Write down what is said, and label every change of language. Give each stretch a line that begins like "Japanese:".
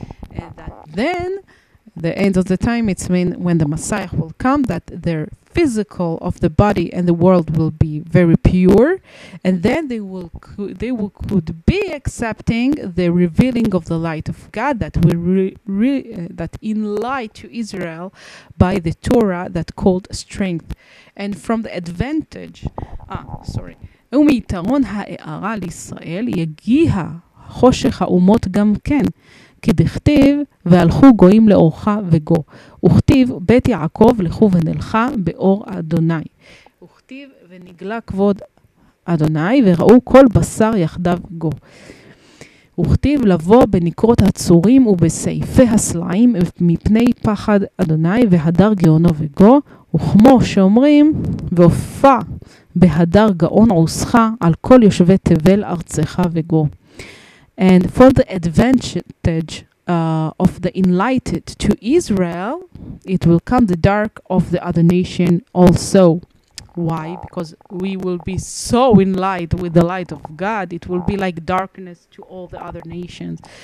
English: And that then, the end of the time, it's mean when the Messiah will come, that their physical of the body and the world will be very pure. And then they will could be accepting the revealing of the light of God that will that in light to Israel by the Torah that called strength. And from the advantage...
Hebrew: ומיתרון הערה לישראל יגיה חושך האומות גם כן כי דכתיב והלכו גויים לאורך וגו וכתיב בית יעקב לכו ונלכה באור אדוני וכתיב ונגלה כבוד אדוני וראו כל בשר יחדיו גו וכתיב לבוא בנקרות הצורים ובסעיפי הסלעים מפני פחד אדוני והדר גאונו וגו וכמו שאומרים והופע בהדר גאון עוסך על כל יושבי תבל ארצך וגו.
English: And for the advantage of the enlightened to Israel, it will come the dark of the other nation also. Why? Because we will be so in light with the light of God, it will be like darkness to all the other nations.